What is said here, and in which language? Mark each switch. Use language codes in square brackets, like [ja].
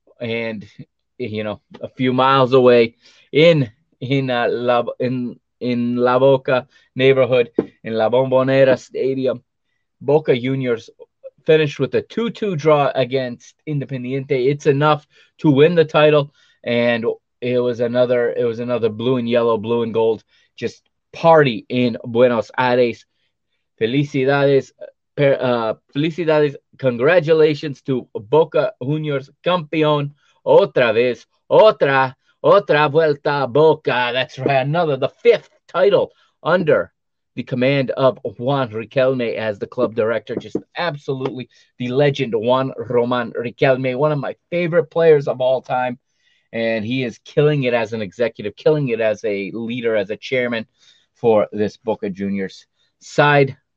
[en] And you know, a few miles away in La Boca neighborhood, in La Bombonera Stadium, Boca Juniors finished with a 2-2 draw against Independiente. It's enough to win the title, and it was another blue and yellow, blue and gold, just party in Buenos Aires. [es] Felicidades, [en] congratulations to Boca Juniors, [es] campeón. Otra vez, otra vuelta, Boca. [en] That's right, another, the fifth title under the command of Juan Riquelme as the club director. Just absolutely the legend, Juan Román Riquelme, one of my favorite players of all time. And he is killing it as an executive, killing it as a leader, as a chairman for this Boca Juniors side.